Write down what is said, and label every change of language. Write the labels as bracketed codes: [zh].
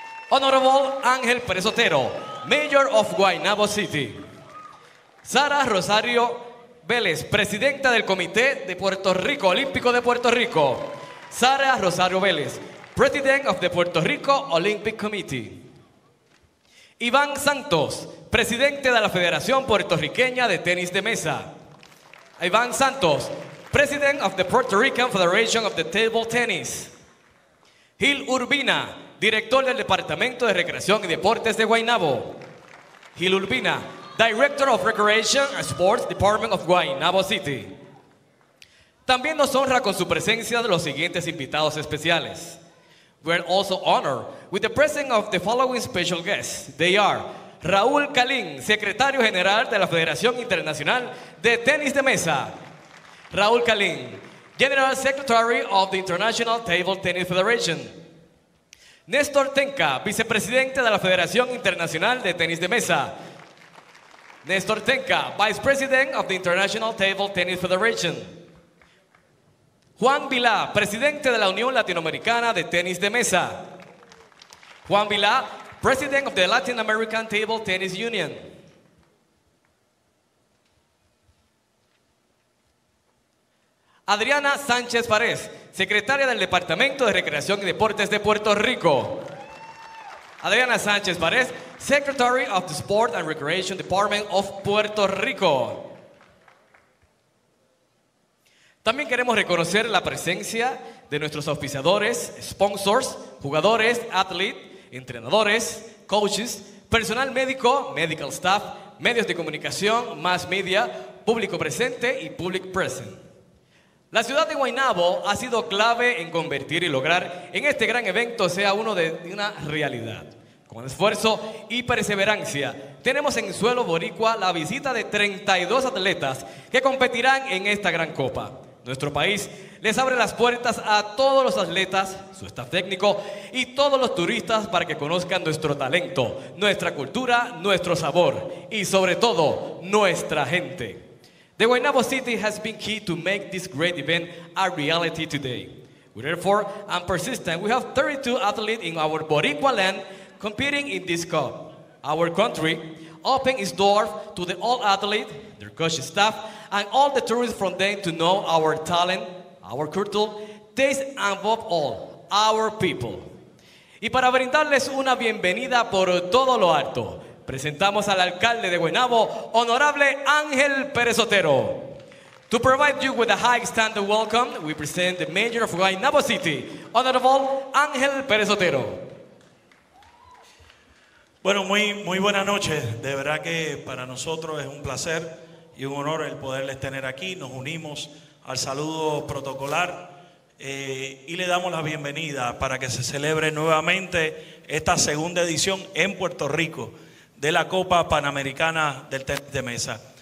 [en] Honorable Ángel Pérez Otero, Mayor of Guaynabo City. [es] Sara Rosario Vélez, Presidenta del Comité de Puerto Rico, Olímpico de Puerto Rico. [en] Sara Rosario Vélez, President of the Puerto Rico Olympic Committee. [es] Iván Santos, Presidente de la Federación Puertorriqueña de Tenis de Mesa. [en] Iván Santos, President of the Puerto Rican Federation of the Table Tennis. [es] Gil Urbina, Director del Departamento de Recreación y Deportes de Guaynabo. [en] Gil Urbina, Director of Recreation and Sports Department of Guaynabo City. [es] También nos honra con su presencia de los siguientes invitados especiales. [en] We are also honored with the presence of the following special guests. They are [es] Raúl Calín, Secretario General de la Federación Internacional de Tenis de Mesa. [en] Raúl Calín, General Secretary of the International Table Tennis Federation. [es] Néstor Tenca, Vicepresidente de la Federación Internacional de Tenis de Mesa. [en] Néstor Tenca, Vice President of the International Table Tennis Federation. [es] Juan Vilá, Presidente de la Unión Latinoamericana de Tenis de Mesa. [en] Juan Vilá, President of the Latin American Table Tennis Union. [es] Adriana Sánchez Fares, Secretaria del Departamento de Recreación y Deportes de Puerto Rico. [en] Adriana Sánchez Fares, Secretary of the Sport and Recreation Department of Puerto Rico. [es] También queremos reconocer la presencia de nuestros auspiciadores, [en] sponsors, [es] jugadores, [en] athletes, [es] entrenadores, [en] coaches, [es] personal médico, [en] medical staff, [es] medios de comunicación, [en] mass media, [es] público presente y [en] public present. [es] La ciudad de Guaynabo ha sido clave en convertir y lograr en este gran evento sea uno de una realidad. Con esfuerzo y perseverancia, tenemos en suelo boricua la visita de 32 atletas que competirán en esta gran copa. Nuestro país les abre las puertas a todos los atletas, su staff técnico y todos los turistas para que conozcan nuestro talento, nuestra cultura, nuestro sabor y sobre todo nuestra gente. [en] The Guaynabo City has been key to make this great event a reality today. We therefore and persistent, we have 32 athletes in our Boricua land competing in this cup. Our country opens its door to the all athletes, their coach staff, and all the tourists from them to know our talent, our culture, taste, and above all, our people. [es] Y para brindarles una bienvenida por todo lo alto, presentamos al alcalde de Guaynabo, Honorable Ángel Pérez Otero. [en] To provide you with a high standard welcome, we present the mayor of Guaynabo City, Honorable Ángel Pérez Otero. [es] Bueno, muy buenas noches. De verdad que para nosotros es un placer y un honor el poderles tener aquí. Nos unimos al saludo protocolar y le damos la bienvenida para que se celebre nuevamente esta segunda edición en Puerto Rico de la Copa Panamericana del Tenis de Mesa.